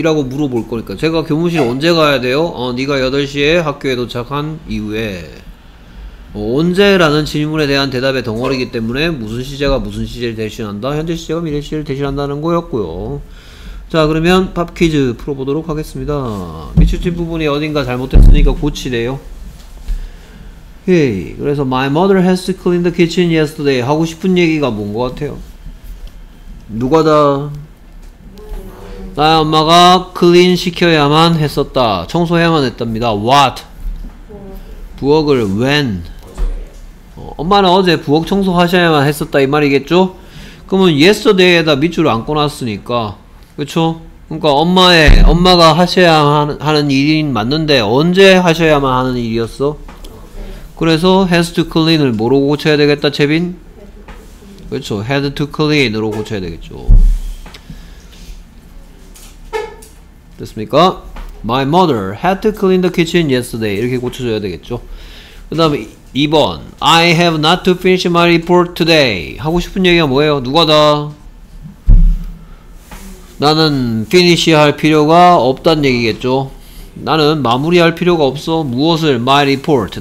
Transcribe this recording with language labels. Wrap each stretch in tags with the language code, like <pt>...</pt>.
<ko>이라고 물어볼 거니까 제가 교무실에 언제 가야 돼요? 네가 8시에 학교에 도착한 이후에 언제라는 질문에 대한 대답의 덩어리이기 때문에 무슨 시제가 무슨 시제를 대신한다? 현재 시제가 미래 시제를 대신한다는 거였고요. 자 그러면 팝 퀴즈 풀어보도록 하겠습니다. 미추친 부분이 어딘가 잘못됐으니까 고치래요. 오케이.</ko> <en>그래서 My mother has to clean the kitchen yesterday.</en> <ko>하고 싶은 얘기가 뭔 것 같아요? 누가 다? 나의 엄마가 클린 시켜야만 했었다. 청소해야만 했답니다. What? 부엌을 when? 엄마는 어제 부엌 청소하셔야만 했었다 이 말이겠죠? 그러면 yesterday에다 밑줄을 안 꺼놨으니까 그쵸? 그러니까 엄마가 하셔야 하는 일이 맞는데 언제 하셔야만 하는 일이었어? 그래서</ko> <en>has to clean</en> <ko>을 뭐로 고쳐야 되겠다 채빈? 그쵸?</ko> <en>had to clean</en> <ko>으로 고쳐야 되겠죠. 됐습니까?</ko> <en>My mother had to clean the kitchen yesterday.</en> <ko>이렇게 고쳐줘야 되겠죠. 그 다음에 2번</ko> <en>I have not to finish my report today.</en> <ko>하고 싶은 얘기가 뭐예요? 누가 다? 나는 finish 할 필요가 없단 얘기겠죠. 나는 마무리할 필요가 없어.</ko> <en>무엇을? My report.</en>